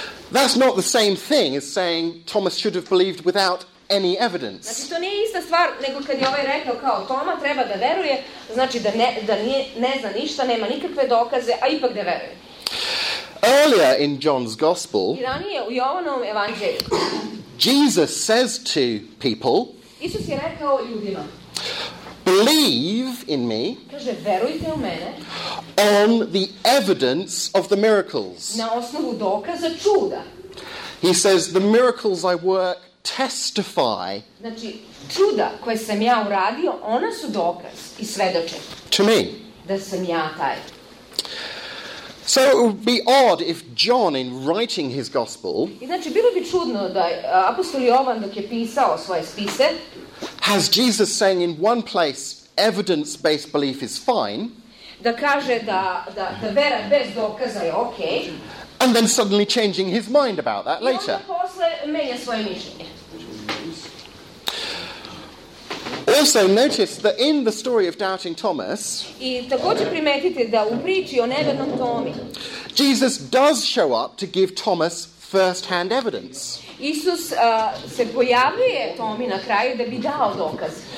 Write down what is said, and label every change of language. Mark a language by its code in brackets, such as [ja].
[en] That's not the same thing as saying Thomas should have believed without any evidence. [sr] Znači, to nije ista stvar nego kad je ovaj rekao kao Toma treba da veruje, znači da ne zna ništa, nema nikakve dokaze, a ipak da veruje. [en] Earlier in John's Gospel, [sr] I ranije u Jovanovom evanđelju, [en] Jesus says to people, [sr] Isus je rekao ljudima, [en] believe in me, [sr] kaže, verujte u mene, [en] on the evidence of the miracles. [sr] Na osnovu dokaza čuda. [en] He says, the miracles I work testify, [sr] znači, čuda koje sam ja uradio, ona su dokaz I svedoče. [en] To me. [sr] Da sam ja taj. [en] So it would be odd if John, in writing his gospel, [sr] znači, bilo bi čudno da apostol Jovan dok je pisao svoje spise, [en] has Jesus saying in one place, evidence-based belief is fine, [sr] da kaže da vera bez dokaza je okay, [en] and then suddenly changing his mind about that later. [sr] I onda posle menja svoje mišljenje. [en] Also notice that in the story of doubting Thomas, [sr] I također primetite da u priči o nevernom Tomi, [en] Jesus does show up to give Thomas first-hand evidence. [sr] Isus se pojavljuje Tomi na kraju da bi dao dokaz.